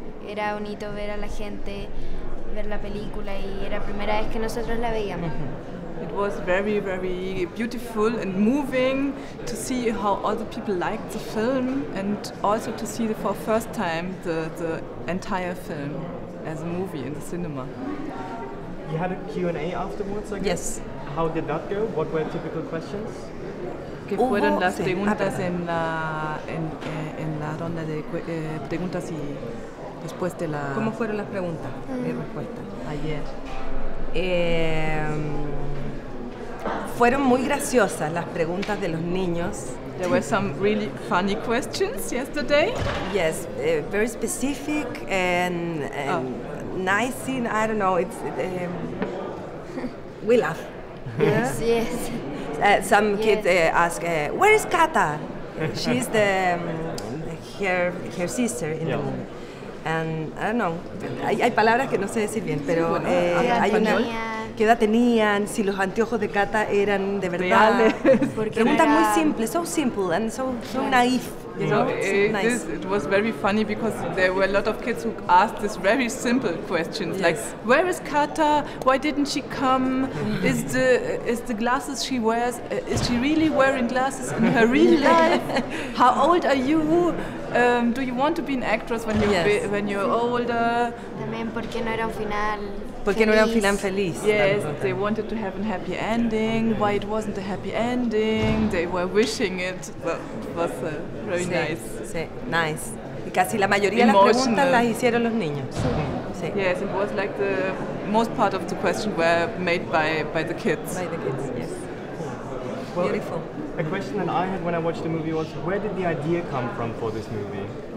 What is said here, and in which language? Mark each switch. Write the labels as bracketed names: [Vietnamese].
[Spanish] Era bonito ver a la gente, ver la película y era la primera vez que nosotros la veíamos. [English] It was very, very beautiful and moving to see how other people liked the film and also to see for the first time the entire film as a movie in the cinema. You had a Q&A afterwards, I guess? Yes. How did that go? What were typical questions? [Spanish] ¿Qué fueron las preguntas en la ronda de preguntas y después de la? ¿Cómo fueron las preguntas y respuestas ayer? Fueron muy graciosas las preguntas de los niños. [English] There were some really funny questions yesterday. Yes, very specific and nice. In, I don't know. It's we laugh. Yes, yeah. Yes. Some kids ask, where is Kata? She's her sister in the movie. And I don't know, [Spanish] hay palabras que no sé decir bien, pero hay una. ¿Qué edad tenían? Si los anteojos de Kata eran de verdad. Preguntas muy simples, [English] so simple and so naive. It was very funny because there were a lot of kids who asked this very simple questions, yes. Like, where is Kata? Why didn't she come? Is the glasses she wears, is she really wearing glasses in her real life? How old are you? Do you want to be an actress when you're when you're older? [Spanish] También porque no era un final. Porque no era un final feliz. [English] Yes, they wanted to have a happy ending. Why it wasn't a happy ending? They were wishing it. But it was very nice. [Spanish] Sí, nice. Y casi la mayoría de las preguntas las hicieron los niños. Sí. [English] Yes, it was like the most part of the questions were made by the kids. By the kids, yes. Well, beautiful. A question that I had when I watched the movie was, where did the idea come from for this movie?